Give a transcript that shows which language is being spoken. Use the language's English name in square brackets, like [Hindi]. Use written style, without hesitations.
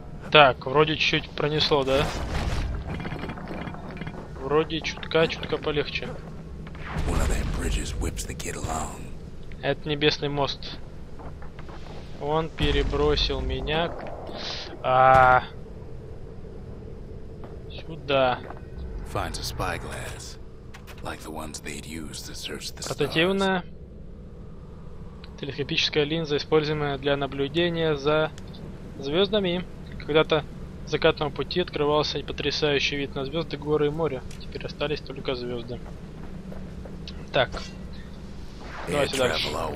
[Russian] Так, вроде чуть-чуть пронесло, да? Вроде чутка-чутка полегче. [English] One of them bridges whips the kid along. [Russian] Это небесный мост. Он перебросил меня... сюда. [English] Finds a spyglass, like the ones they'd use to search the stars. [Russian] Портативная телескопическая линза, используемая для наблюдения за звездами. Когда-то с закатного пути открывался потрясающий вид на звезды, горы и море. Теперь остались только звезды. Так. Давайте дальше.